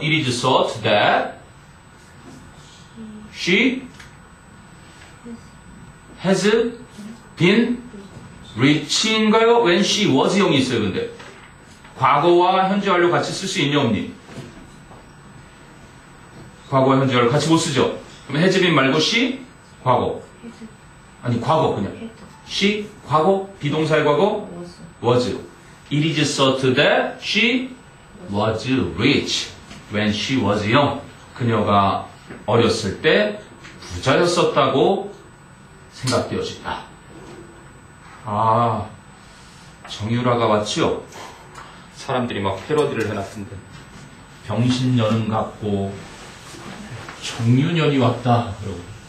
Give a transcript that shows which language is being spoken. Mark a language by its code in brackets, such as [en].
[en] It is thought that she has been rich인가요? When she was young이 [ko] 있어요, 근데. 과거와 현재 완료 같이 쓸 수 있냐, 언니? 과거와 현재 완료 같이 못 쓰죠? 그럼 has been 말고 she? 과거. 아니, 과거, 그냥. she? 과거? 비동사의 과거? was. [en] It is thought that she was rich when she was young. [ko] 그녀가 어렸을 때 부자였었다고 생각되어진다. 아, 정유라가 왔지요? 사람들이 막 패러디를 해놨던데. 병신년은 같고, 정유년이 왔다. 그러고.